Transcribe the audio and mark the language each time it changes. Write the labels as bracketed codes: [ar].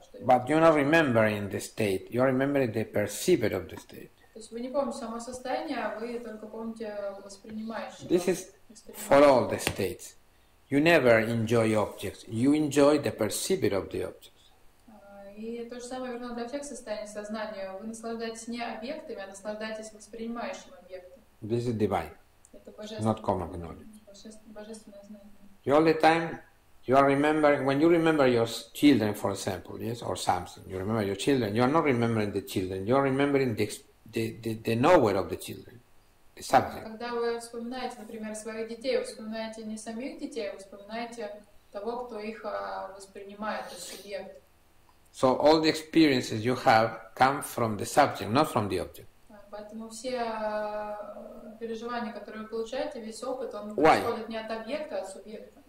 [en] But you're not remembering the state, you're remembering the perceiver of the state. [ru] То есть вы не помните само состояние, а вы только помните воспринимающее. [en] This is for all the states. You never enjoy objects. You enjoy the perceiver of the objects. [ru] И то же самое верно для всех состояний сознания. Вы наслаждаетесь не объектами, а наслаждаетесь воспринимающим объектом. [en] This is divine. [ru] Это божественное. [en] Not common knowledge. [ru] Божественное знание. [en] The only time you are remembering, when you remember your children, for example, yes, or something, you remember your children, you are not remembering the children, you are remembering the knower of the children, the subject. [ru] Когда вы вспоминаете, например, своих детей, вы вспоминаете не самих детей, вы вспоминаете того, кто их воспринимает, то есть субъект. [en] So all the experiences you have come from the subject, not from the object. [ru] Поэтому все переживания, которые вы получаете, весь опыт, он происходит не от объекта, а от субъекта.